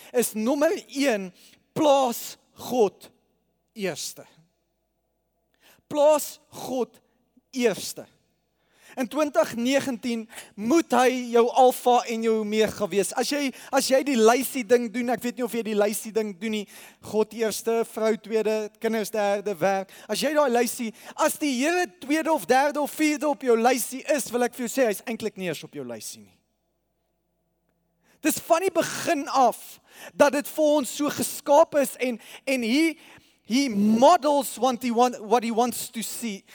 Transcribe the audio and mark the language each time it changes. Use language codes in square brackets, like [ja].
[af] Is nommer 1, plaas God eerste. Plaas God eerste. In 2019 moet hy jou alfa en jou omega wees. As jy die lysie ding doen, ek weet nie of jy die lysie ding doen nie. God eerste, vrou tweede, kinders derde, werk. As jy daai lysie, as die Here tweede of derde of vierde op jou lysie is, wil ek vir jou sê, hy's eintlik nie eens op jou lysie nie. Dis van die begin af dat dit vir ons so geskaap is en [en] he models what he wants to see.